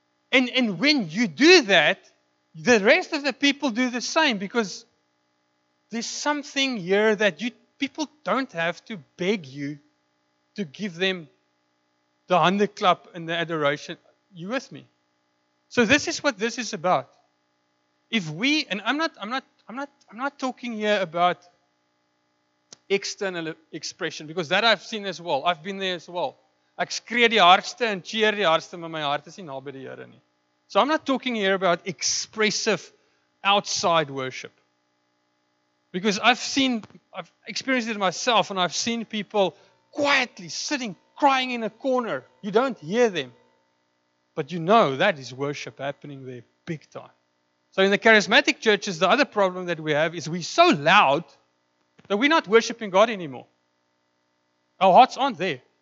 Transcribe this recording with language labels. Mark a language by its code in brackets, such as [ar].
[en] And when you do that, the rest of the people do the same, because there's something here that you people don't have to beg you to give them the handclap and the adoration. You with me? So this is what this is about. If we, and I'm not talking here about external expression, because that I've seen as well. I've been there as well. [af] Ek skree die hardste en cheer die hardste, maar my hart is nie naby die Here nie. [en] So I'm not talking here about expressive outside worship. Because I've experienced it myself, and I've seen people quietly sitting, crying in a corner. You don't hear them. But you know that is worship happening there big time. So in the charismatic churches, the other problem that we have is we're so loud that we're not worshiping God anymore. Our hearts aren't there.